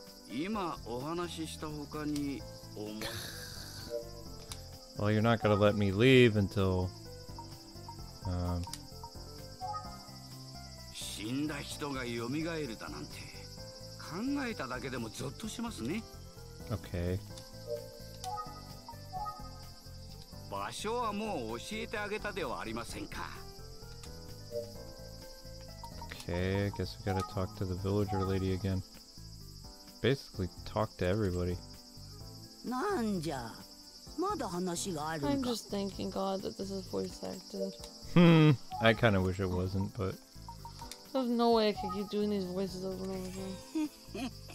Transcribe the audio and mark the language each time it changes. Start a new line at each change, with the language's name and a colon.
Japanese: 今お話しした他に思う。
English: Well, you're not gonna let me leave until,
Japanese: 死んだ人が蘇るだなんて考えただけでもゾッとしますね。
English: OK。
Japanese: 場所はもう教えてあげたではありませんか。
English: OK、I guess we gotta talk to the villager lady again. Basically, talk to everybody.
Japanese: なんじゃ、まだ話があるか。
English: I'm just thanking God that this is voice acted. I kind of wish it wasn't, but. There's no way I could keep doing these voices over and over again.